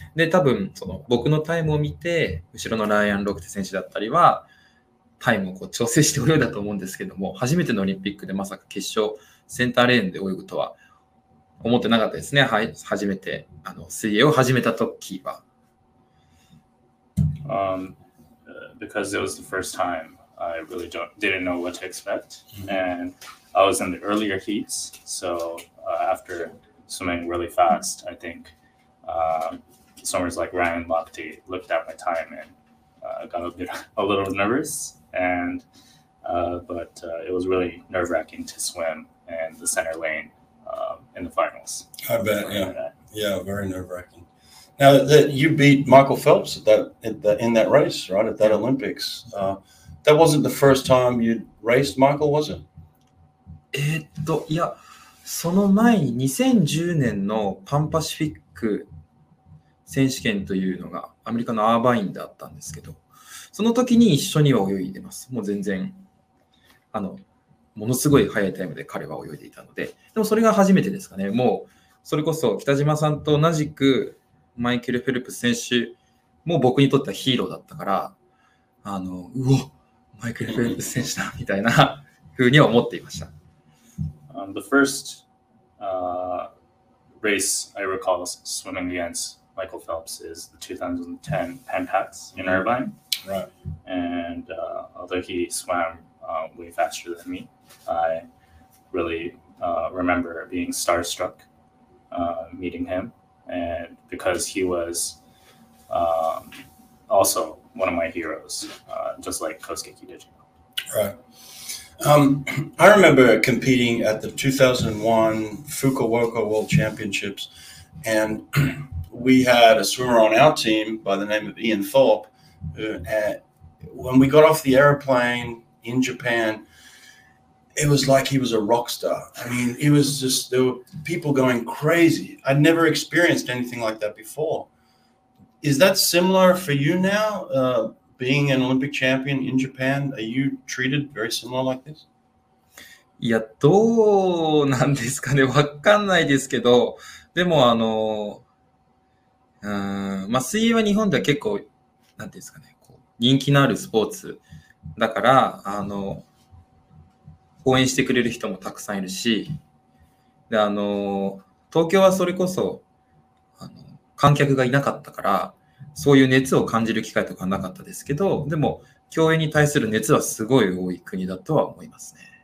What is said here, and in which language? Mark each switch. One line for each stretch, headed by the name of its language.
Japanese: で、多分、僕のタイムを見て、後ろのライアン・ロクテ選手だったりは、タイムをこう調整しておるんだと思うんですけども、初めてのオリンピックでまさか決勝、センターレーンで泳ぐとは思ってなかったですね。はい、初めて、水泳を始めた時は。
English: Because it was the first time, I really didn't know what to expect. And I was in the earlier heats. So after swimming really fast, I think swimmers like Ryan Lochte looked at my time and got a little nervous. And but it was really nerve wracking to swim in the center lane in the finals. I bet, yeah, very nerve wracking. Now that you beat Michael Phelps in that race, right, at that Olympics, that wasn't the first time you'd raced Michael, was it?
Japanese: いや、その前に2010年のパンパシフィック選手権というのがアメリカのアーバインであったんですけど、その時に一緒には泳いでます。もう全然、ものすごい速いタイムで彼は泳いでいたので、でもそれが初めてですかね。もう、それこそ北島さんと同じく、マイケル・フェルプス選手も僕にとってはヒーローだったから、うお、マイケル・フェルプス選手だみたいなふうに思っていました。
English: The first race I recall swimming against Michael Phelps is the 2010 Pentax in Irvine. Right. And although he swam way faster than me, I really remember being starstruck meeting him. And because he was also one of my heroes, just like Kosuke Kitajima. Right. I remember competing at the 2001 Fukuoka World Championships, and we had a swimmer on our team by the name of Ian Thorpe. When we got off the airplane in Japan, it was like he was a rock star. I mean, it was just, there were people going crazy. I'd never experienced anything like that before. Is that similar for you now, being an Olympic champion in Japan? Are you treated very similar like this?
Japanese: いや、どうなんですかね。わかんないですけど、でも水泳は日本では結構、なんですかね、こう人気のあるスポーツだから、応援してくれる人もたくさんいるし、で東京はそれこそ観客がいなかったから、そういう熱を感じる機会とかなかったですけど、でも競泳に対する熱はすごい多い国だとは思いますね。